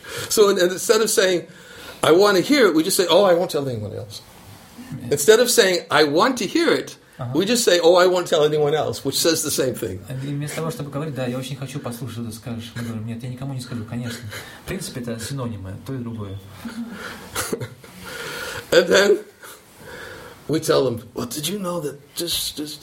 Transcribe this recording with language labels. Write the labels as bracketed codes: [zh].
[en] So instead of saying, I want to hear it, we just say, oh, I won't tell anyone else. Instead of saying, I want to hear it, we just say, oh, I won't tell anyone else, which says the same thing. [ru] Вместо того, чтобы говорить, да, я очень хочу послушать, что ты скажешь, мы говорим, нет, я никому не скажу, конечно. В принципе, это синонимы, то и другое. [en] And then we tell them, well, did you know that this?